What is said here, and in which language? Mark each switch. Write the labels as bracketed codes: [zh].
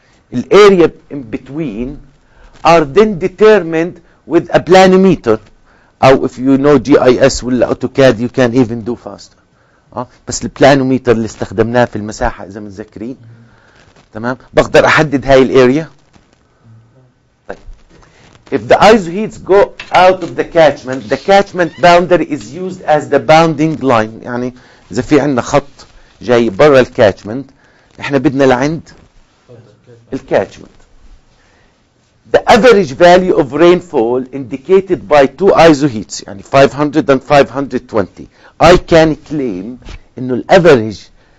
[en] The area in between are then determined with a planimeter. Or if you know GIS or AutoCAD, you can even do faster. [ar] بس البلانوميتر اللي استخدمناه في المساحة إذا متذكرين. تمام. بقدر أحدد هاي الأريا. طيب. [en] If the ice sheets go out of the catchment boundary is used as the bounding line. [ar] يعني إذا في عندنا خط جاي برا الكاتشمنت إحنا بدنا لعند الكاتشمنت. [en] The average value of rainfall indicated by two isoheats, يعني 500 and 520. I can claim إنه the average